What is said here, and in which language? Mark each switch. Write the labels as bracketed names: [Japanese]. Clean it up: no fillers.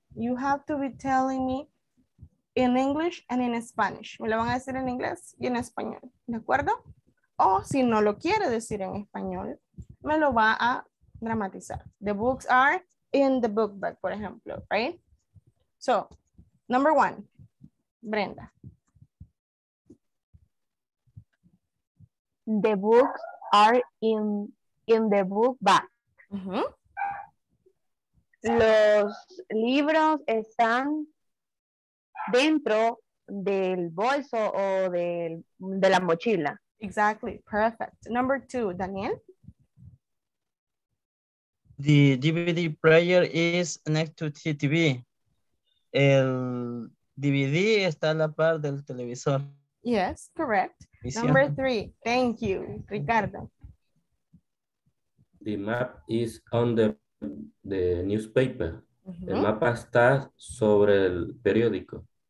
[English] You have to be telling me in English and in Spanish. [Spanish] Me lo van a decir en inglés y en español. ¿De acuerdo? O si no lo quiere decir en español, me lo va a dramatizar. [English] The books are in the book bag, [Spanish] por ejemplo, [English] right? So, number 1, Brenda. The books are in the book bag. Mm-hmm. [Spanish] Los libros están dentro del bolso o de la mochila. [English] Exactly, perfect. Number 2, Daniel. The DVD player is next to the TV. [Spanish] El DVD está a la par del televisor. [English] Yes, correct. Visión. Number 3. Thank you, Ricardo. The map is under the newspaper. Uh-huh. [Spanish] El mapa está sobre el periódico.